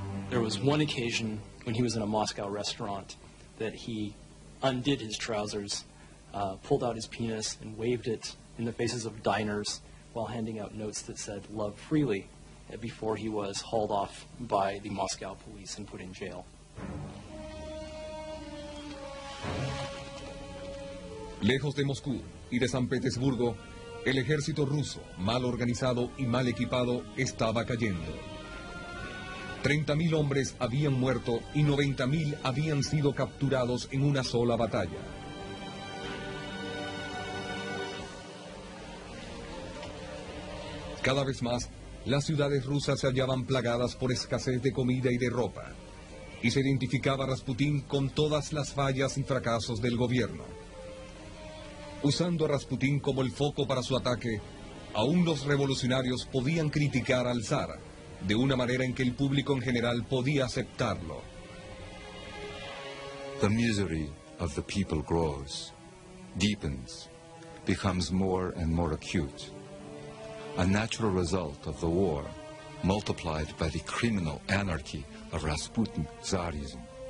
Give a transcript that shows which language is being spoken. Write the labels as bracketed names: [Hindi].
[English] There was one occasion when he was in a Moscow restaurant that he undid his trousers, pulled out his penis, and waved it in the faces of diners while handing out notes that said, love freely, before he was hauled off by the Moscow police and put in jail. [Spanish] Lejos de Moscú y de San Petersburgo, el ejército ruso, mal organizado y mal equipado, estaba cayendo. 30.000 hombres habían muerto y 90.000 habían sido capturados en una sola batalla. Cada vez más, las ciudades rusas se hallaban plagadas por escasez de comida y de ropa. Y se identificaba a Rasputín con todas las fallas y fracasos del gobierno. Usando a Rasputín como el foco para su ataque, aún los revolucionarios podían criticar al zar, de una manera en que el público en general podía aceptarlo. [English] The misery of the people grows, deepens, becomes more and more acute. A natural result of the war, multiplied by the criminal anarchy of Rasputin Tsarism.